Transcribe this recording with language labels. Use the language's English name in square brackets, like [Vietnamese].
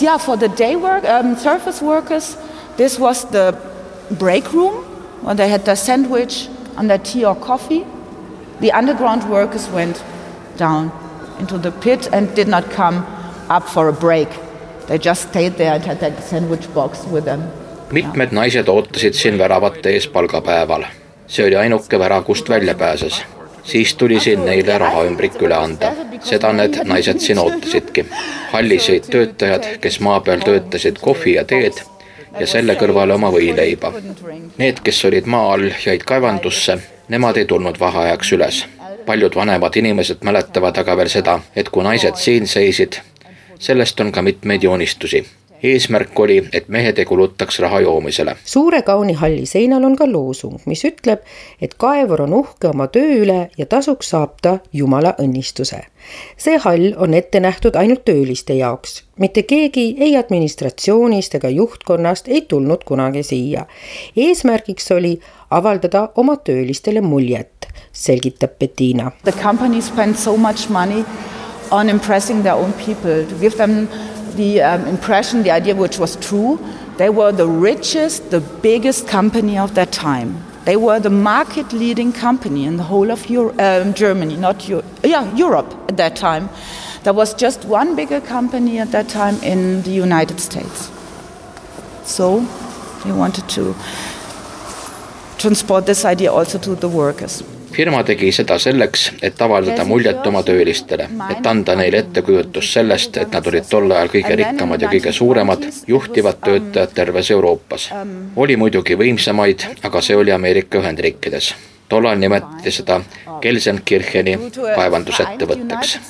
[English] Yeah, for the day work, surface workers, this was the break room. When they had their sandwich and their tea or coffee, the underground workers went down into the pit and did not come up for a break. They just stayed there and had that sandwich box with them. [Estonian] Mitmed naised ootasid siin väravate ees palgapäeval. See oli ainuke vära, kust välja pääses. Siis tuli siin neile raha ümbrik üle anda. Seda need naised siin ootasidki. Hallisid töötajad, kes maa peal töötasid kohvi ja teed, ja selle kõrvale oma võileiba. Need, kes olid maal, jäid kaevandusse, nemad ei tulnud vaheajaks üles. Paljud vanemad inimesed mäletavad aga veel seda, et kui naised siin seisid, sellest on ka mitmeid joonistusi. Eesmärk oli, et mehed ei kulutaks raha joomisele. Suure kauni halli seinal on ka loosung, mis ütleb, et kaevur on uhke oma töö üle ja tasuks saab ta Jumala õnnistuse. See hall on ette nähtud ainult tööliste jaoks. Mitte keegi ei administratsioonist ega juhtkonnast ei tulnud kunagi siia. Eesmärgiks oli avaldada oma töölistele muljet, selgitab Bettina. [English] The company spent so much money on impressing their own people to give them the impression, the idea which was true, they were the richest, the biggest company of that time. They were the market leading company in the whole of Germany, not Europe at that time. There was just one bigger company at that time in the United States. So they wanted to transport this idea also to the workers. [Estonian] Firma tegi seda selleks, et avaldada muljet oma töölistele, et anda neile ettekujutus sellest, et nad olid tolle ajal kõige rikkamad ja kõige suuremad, juhtivad töötajad terves Euroopas. Oli muidugi võimsamaid, aga see oli Ameerika Ühendriikides. Tollal nimetati seda Gelsenkircheni kaevandusettevõtteks.